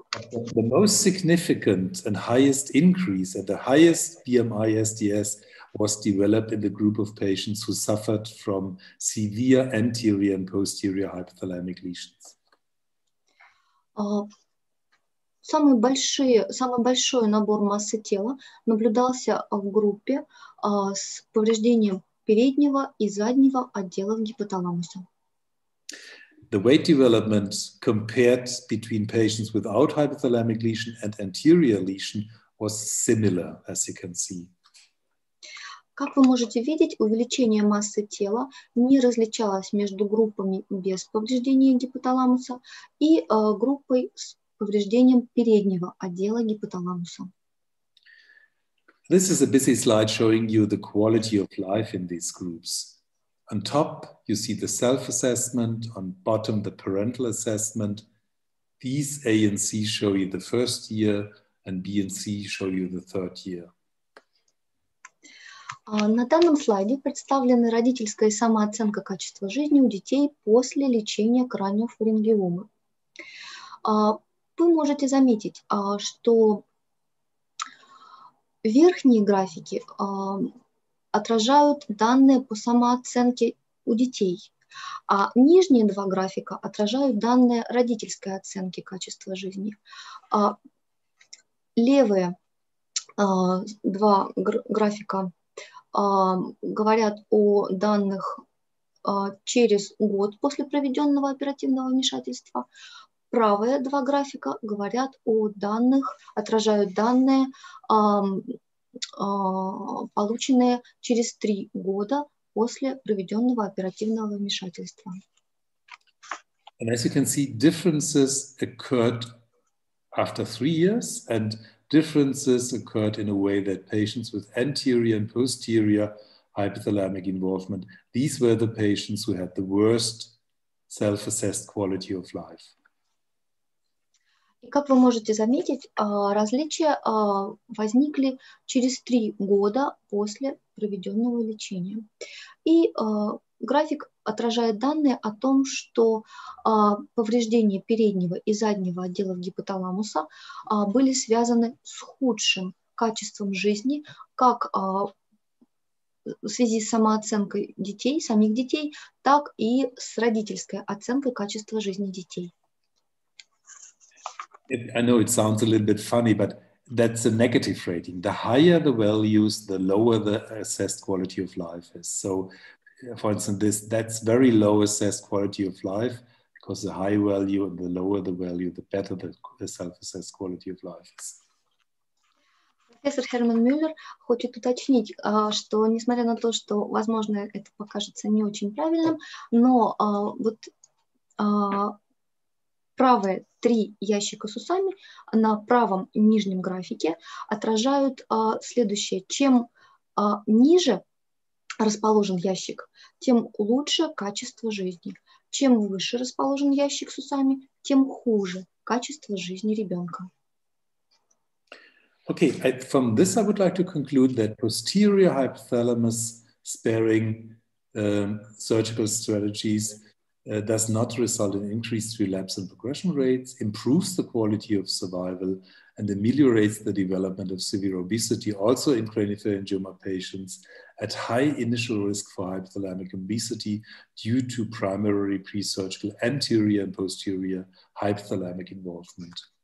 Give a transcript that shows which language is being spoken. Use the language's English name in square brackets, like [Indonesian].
[English] The most significant and highest increase at the highest BMI SDS was developed in the group of patients who suffered from severe anterior and posterior hypothalamic lesions. [Russian] Самый большой набор массы тела наблюдался в группе с повреждением переднего и заднего отделов гипоталамуса. [English] The weight development compared between patients without hypothalamic lesion and anterior lesion was similar, as you can see. [Russian] Как вы можете видеть, увеличение массы тела не различалось между группами без повреждения гипоталамуса и группой с повреждением переднего отдела гипоталамуса. [English] This is a busy slide showing you the quality of life in these groups. On top, you see the self-assessment, on bottom, the parental assessment. These A and C show you the first year, and B and C show you the third year. [Russian] На данном слайде представлены родительская самооценка качества жизни у детей после лечения краниофарингиомы. Вы можете заметить, что верхние графики отражают данные по самооценке у детей, а нижние два графика отражают данные родительской оценки качества жизни. Левые два графика говорят о данных через год после проведенного оперативного вмешательства. Правые два графика говорят о данных, отражают данные, полученные через 3 года после проведенного оперативного вмешательства. [English] And as you can see, differences occurred after 3 years, and differences occurred in a way that patients with anterior and posterior hypothalamic involvement, these were the patients who had the worst self-assessed quality of life. [Russian] И как вы можете заметить, различия возникли через 3 года после проведенного лечения. И график отражает данные о том, что повреждения переднего и заднего отделов гипоталамуса были связаны с худшим качеством жизни, как в связи с самооценкой детей, самих детей, так и с родительской оценкой качества жизни детей. [English] I know it sounds a little bit funny, but that's a negative rating. The higher the values, the lower the assessed quality of life is. So, for instance, that's very low assessed quality of life, because the higher value and the lower the value, the better the self-assessed quality of life is. [Russian] Профессор Херман Мюллер хочет уточнить, что несмотря на то, что, возможно, это покажется не очень правильным, но вот правые три ящика с усами на правом нижнем графике отражают следующее. Чем ниже расположен ящик, тем лучше качество жизни. Чем выше расположен ящик с усами, тем хуже качество жизни ребенка. [English] Okay, from this I would like to conclude that posterior hypothalamus sparing surgical strategies does not result in increased relapse and progression rates, improves the quality of survival, and ameliorates the development of severe obesity, also in craniopharyngioma patients at high initial risk for hypothalamic obesity due to primary pre-surgical anterior and posterior hypothalamic involvement.